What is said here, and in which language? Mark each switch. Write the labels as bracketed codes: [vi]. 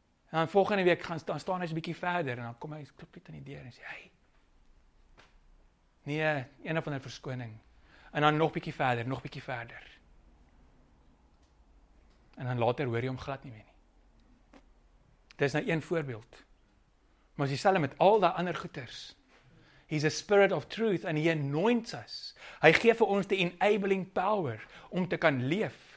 [af] En dan volgende week staan hy so 'n bietjie verder en dan kom hy klop net aan die deur en sê, hey. Nee, een of ander verskoning. En dan nog bietjie verder, nog bietjie verder. En dan later hoor jy hom glad nie meer nie. Dis nou een voorbeeld. Maar as jy stel met al die ander goeders. [en] He's a spirit of truth and he anoints us. [af] Hy gee vir ons die enabling power om te kan leef.